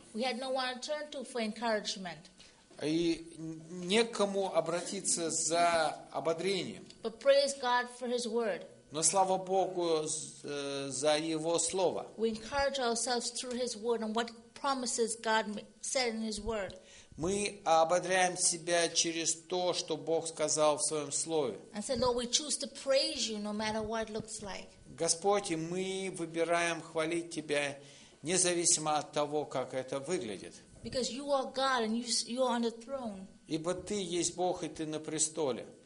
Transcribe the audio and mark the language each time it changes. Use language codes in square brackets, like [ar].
[en] We had no one to turn to for encouragement. [ru] И некому обратиться за ободрением. [en] But praise God for His word. [ru] Но слава Богу за Его слово. [en] We encourage ourselves through His word and what promises God said in His word. [ru] Мы ободряем себя через то, что Бог сказал в Своем слове. [en] And said, Lord, we choose to praise You no matter what it looks like. [ru] Господь, и мы выбираем хвалить Тебя. Независимо от того, как это выглядит. [en] Because you are God and you are on the throne. [ru] Ибо ты есть Бог и ты на престоле.